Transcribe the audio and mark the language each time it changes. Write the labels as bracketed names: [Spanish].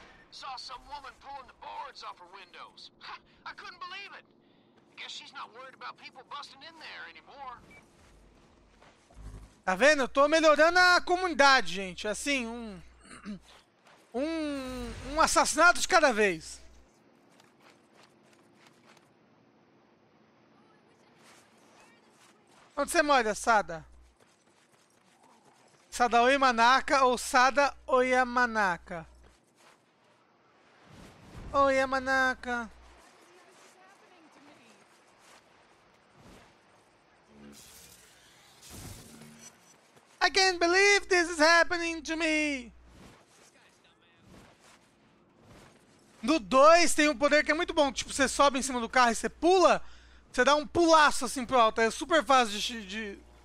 [English] Saw some woman pulling the boards off her windows. Ha, I couldn't believe it. I guess she's not worried about people busting in there anymore. [Portuguese] Tá vendo? Eu tô melhorando a comunidade, gente. Assim, um assassinato de cada vez. Onde você mora, Sada? Sada Oyamanaka ou Sada Oyamanaka? Oyamanaka. [English] I can't believe this is happening to me. [Portuguese] No 2 tem um poder que é muito bom. Tipo, você sobe em cima do carro e você pula. Você dá um pulaço assim pro alto, é super fácil de...